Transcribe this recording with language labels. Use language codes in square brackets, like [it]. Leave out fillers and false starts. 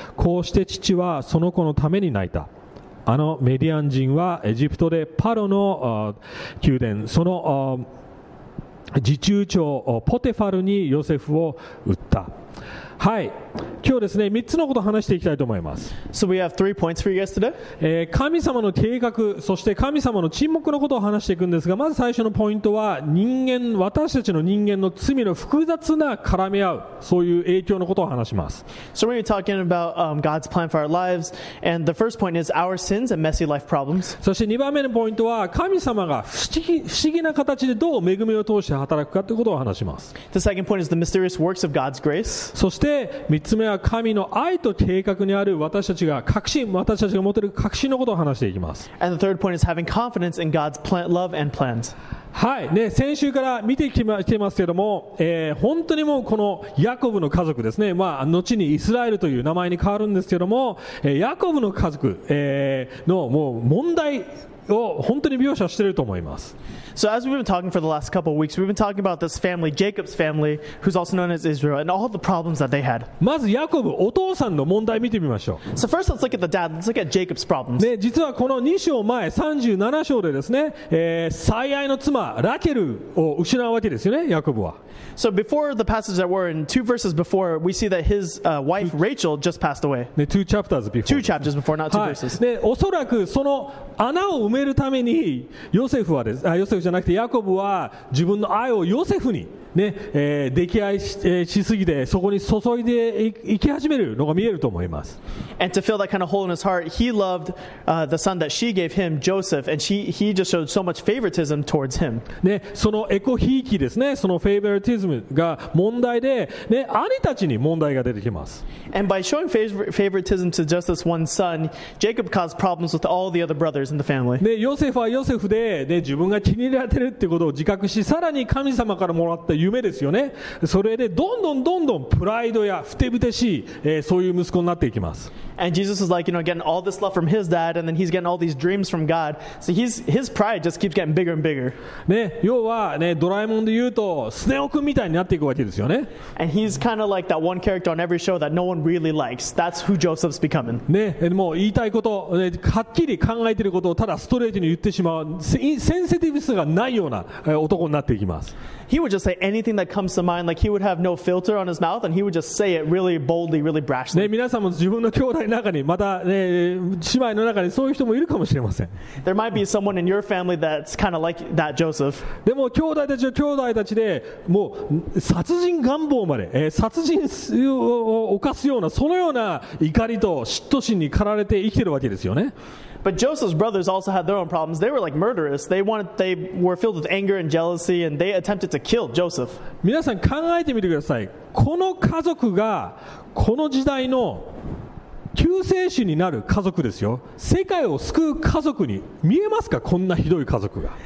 [ja] こうして父はその子のために泣いた。あのメディアン人はエジプトでパロの宮殿、その次中長ポテファルにヨセフを売った。はい、今日ですね、3つのことを話していきたいと思います。 [en] So we have three points for you guys today. [ja] 神様の計画、そして神様の沈黙のことを話していくんですが、まず最初のポイントは、人間、私たちの人間の罪の複雑な絡み合う、そういう影響のことを話します。 [en] So we're talking about, God's plan for our lives, and the first point is our sins and messy life problems. [ja] そして2番目のポイントは、神様が不思議な形でどう恵みを通して働くかということを話します。 [en] The second point is the mysterious works of God's grace. [ja] そして3つ目は神の愛と計画にある私たちが確信、私たちが持てる確信のことを話していきます。 [en] And the third point is having confidence in God's plan, love and plans. [ja] はい、ね、先週から見てきてますけども、本当にもうこのヤコブの家族ですね、まあ、後にイスラエルという名前に変わるんですけども、ヤコブの家族、のもう問題を本当に描写していると思います。 [en] So as we've been talking for the last couple of weeks, we've been talking about this family, Jacob's family, who's also known as Israel, and all the problems that they had. [ja] まずヤコブ、お父さんの問題見てみましょう。 [en] So first, let's look at the dad. Let's look at Jacob's problems. [ja] ね、実はこの2章前、37章でですね、最愛の妻、ラケルを失うわけですよね、ヤコブは。 [en] So before the passage that we're in, two verses before, we see that his wife, Rachel, just passed away. [ja] ね、 [en] two chapters before. Two chapters before, not two verses. [ja] ね、おそらくその穴を埋めるために、ヨセフはです、あ、ヨセフじゃなくてヤコブは自分の愛をヨセフに、ね、溺愛 しすぎてそこに注いでいき始めるのが見えると思います。 [en] And to fill that kind of hole in his heart, he loved, the son that she gave him, Joseph, and he just showed so much favoritism towards him. [ja] ね、そのエコヒーキですね、そのフェイバリティズムが問題で、ね、兄たちに問題が出てきます。 [en] And by showing favoritism to just this one son, Jacob caused problems with all the other brothers in the family. [ja] ね、ヨセフはヨセフで、ね、自分が気に入られてるってことを自覚し、さらに神様からもらった夢ですよね。それでどんどんどんどんプライドやふてぶてしい、そういう息子になっていきます。 [en] And Jesus is like, you know, getting all this love from his dad, and then he's getting all these dreams from God. So his pride just keeps getting bigger and bigger. [ja] ね、要はね、ドラえもんで言うとスネオくんみたいになっていくわけですよね。 [en] And he's kind of like that one character on every show that no one really likes. That's who Joseph's becoming. [ja] ね、もう言いたいこと、ね、はっきり考えていることをただストレートに言ってしまう、センシティブさがないような、男になっていきます。 [en] He would just say anything that comes to mind, like he would have no filter on his mouth, and he would just say it really boldly, really brashly. [ja] ね、皆さんも自分の兄弟中にまたね、姉妹の中にそういう人もいるかもしれません。 [en] There might be someone in your family that's kind of like that Joseph. [ja] でも兄弟たちは兄弟たちで、もう殺人願望まで、殺人を犯すようなそのような怒りと嫉妬心に駆られて生きてるわけですよね。 [en] But Joseph's brothers also had their own problems. They were like murderous. They were filled with anger and jealousy, and they attempted to kill Joseph. [ja] 皆さん考えてみてください。この家族がこの時代の救世主になる家族ですよ。世界を救う家族に見えますか？こんなひどい家族が。